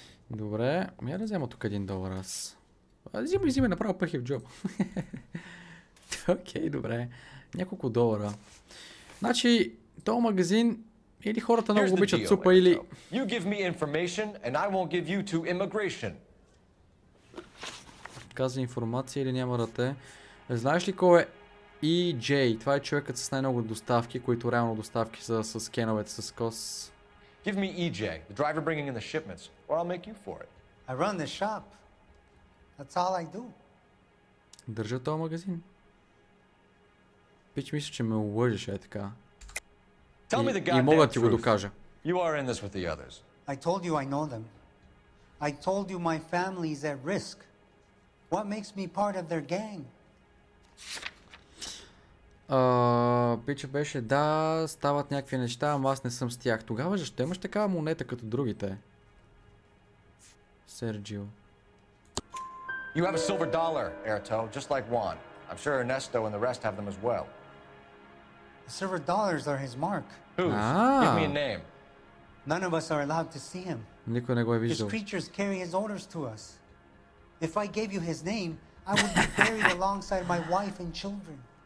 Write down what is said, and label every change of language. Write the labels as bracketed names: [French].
[Bulgarian] Добре, ми я да взема тук един долар раз. Взимай, взимай, направо пъхи в джоба. Окей, okay, добре. Няколко долара. Значи, този магазин или хората много обичат супа, или... [English] You give me information and I won't give you to immigration. [Bulgarian] Казва информация или няма да те... Знаеш ли кой е EJ? Това е човекът с най-много доставки, които реално доставки са с кеновете, с кос. [English] Give me EJ, the driver bringing in the shipments, or I'll make you for it. I run the shop. That's all I do. [Bulgarian] Държа този магазин. Пич, мисля, че ме лъжеш, е така. [English] Tell me the goddamn truth. [Bulgarian] И мога ти го докажа. [English] You are in this with the others. I told you I know them. I told you my family is at risk. What makes me part of their gang? [Bulgarian] Пича беше, да, стават някакви неща, ама аз не съм с тях. Тогава защо имаш такава монета като другите? Серджио. [English] You have a silver dollar, Erto, just like Juan. I'm sure Ernesto and the rest have them as well. The silver dollars are his mark. Whose? Give me a name. None of us are allowed to see him. [Bulgarian] Никой не го е виждал. [English] His creatures carry his orders to us. If I gave you his name, I would be buried alongside my wife and children.